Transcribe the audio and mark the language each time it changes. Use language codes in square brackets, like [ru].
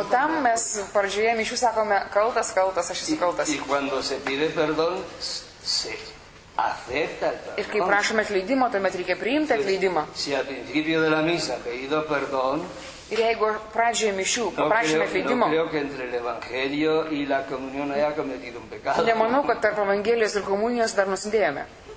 [lt] O tam mes pradžioje mišių sakome kaltas, kaltas, aš esu kaltas. [es] Y cuando se pide perdón, se acepta el perdón. [lt] Ir kai prašome atleidimo, tuomet reikia priimti atleidimą. [es] Si al principio de la misa pedido perdón, [lt] ir jeigu pradžioje mišių paprašome atleidimo, [es] no creo que entre el evangelio y la comunión haya cometido un pecado. [lt] Nemanau, kad tarp evangelijos ir komunijos dar nusidėjome.